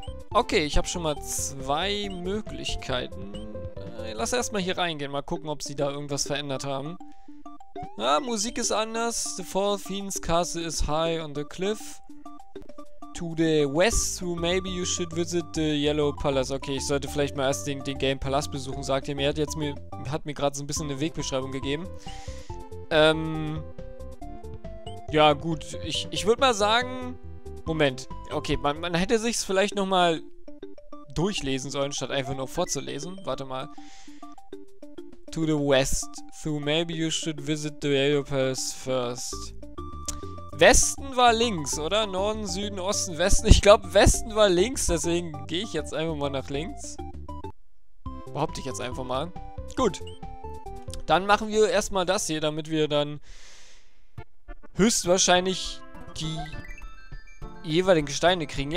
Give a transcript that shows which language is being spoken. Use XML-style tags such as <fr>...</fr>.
<de>Okay, ich habe schon mal zwei Möglichkeiten. Lass erstmal hier reingehen, mal gucken, ob sie da irgendwas verändert haben. Ah, Musik ist anders.</de> <en>The Four Fiends Castle is high on the cliff. To the west, so maybe you should visit the Yellow Palace.</en> <de>Okay, ich sollte vielleicht mal erst den Game Palace besuchen, sagt er mir. Er hat mir gerade so ein bisschen eine Wegbeschreibung gegeben. Ja, gut, ich würde mal sagen, Moment, okay, man hätte sich's vielleicht nochmal durchlesen sollen, statt einfach nur vorzulesen. Warte mal.</de> <en>To the west, so maybe you should visit the Yellow Palace first.</en> <de>Westen war links, oder? Norden, Süden, Osten, Westen. Ich glaube, Westen war links, deswegen gehe ich jetzt einfach mal nach links. Behaupte ich jetzt einfach mal. Gut. Dann machen wir erstmal das hier, damit wir dann höchstwahrscheinlich die jeweiligen Gesteine kriegen.</de>